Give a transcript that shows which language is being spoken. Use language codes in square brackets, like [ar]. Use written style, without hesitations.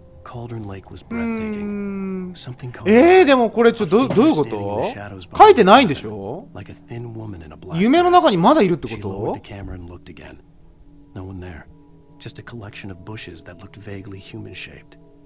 [en] Cauldron Lake was breathtaking. [ja] でもこれちょっとどういうこと、書いてないんでしょ。夢の中にまだいるってこと。 [en] She lowered the camera and looked again. No one there. Just a collection of bushes that looked vaguely human shaped.